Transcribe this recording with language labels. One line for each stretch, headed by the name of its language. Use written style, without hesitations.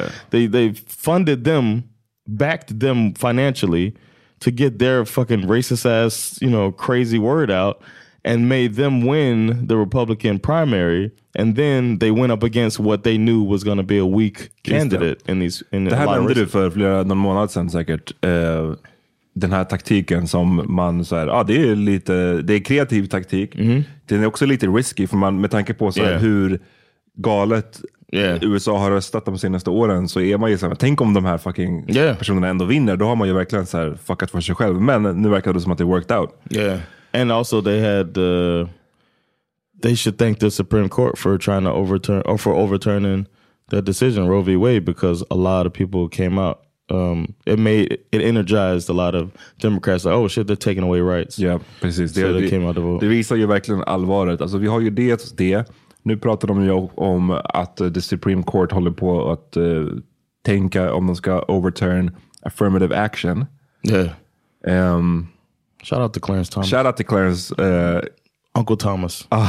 English: They funded them, backed them financially to get their fucking racist ass, you know, crazy word out, and made them win the Republican primary, and then they went up against what they knew was going to be a weak candidate in these.
Swedish: Det här hände för flera månader sedan säkert. den här taktiken som man så här, ah, det är lite, det är kreativ taktik. Mm-hmm. Den är också lite risky för man, med tanke på så här, yeah, hur galet, yeah, USA har röstat de senaste åren, så är man ju så här, tänk om de här fucking, yeah, personerna ändå vinner, då har man ju verkligen så här fuckat för sig själv. Men nu verkar det som att det
English: worked out. Yeah. And also they had they should thank the Supreme Court for trying to overturn, or for overturning that decision, Roe v. Wade, because a lot of people came out. It energized a lot of Democrats. Like, oh shit, they're taking away rights.
Swedish: Ja, precis.
English: So they came out to vote.
Swedish: Det visar ju verkligen allvaret. Alltså, vi har ju det. Nu pratar de ju om att the Supreme Court håller på att tänka om de ska
English: overturn affirmative action. Yeah. Shout out to Clarence Thomas. Shout out to Clarence. Uncle Thomas.